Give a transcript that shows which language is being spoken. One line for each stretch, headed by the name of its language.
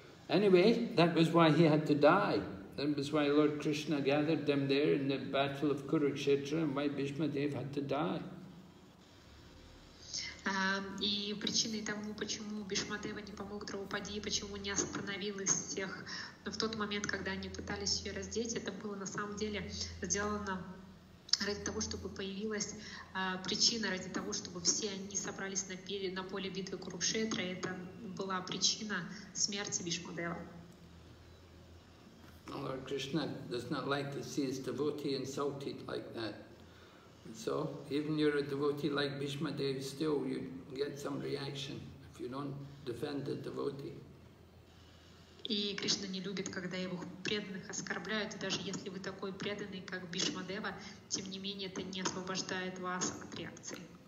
English: Anyway, that was why he had to die. That was why Lord Krishna gathered them there in the battle of Kurukshetra, and why Bhishma Dev had to die.
Russian: И причиной тому, почему Бишмадева не помог Драупади, почему не остановил их всех в тот момент, когда они пытались ее раздеть, это было на самом деле сделано ради того, чтобы появилась причина, ради того, чтобы все они собрались на поле битвы Курукшетра, это была причина смерти Бишмадева.
English: Lord Krishna does not like to see his devotee insulted like that. So, even you're a devotee like Bhishma Dev, still you get some reaction if you don't defend the devotee.
Russian: И Кришна не любит, когда его преданных оскорбляют, даже если вы такой преданный, как Бишма Дева, тем не менее это не освобождает вас от реакции.